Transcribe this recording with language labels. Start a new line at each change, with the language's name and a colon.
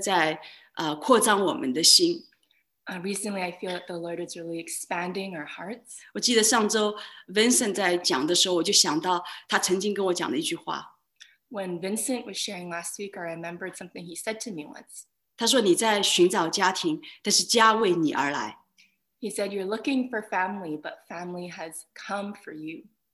Chinese: 最近其实这个我就觉得最近神真的在扩张我们的心。
English: Recently, I feel that the Lord is really expanding our hearts.
Chinese: 我记得上周 Vincent 在讲的时候，我就想到他曾经跟我讲的一句话。
English: When Vincent was sharing last week, I remembered something he said to me once.
Chinese: 他说你在寻找家庭，但是家为你而来。
English: He said you're looking for family, but family has come for you.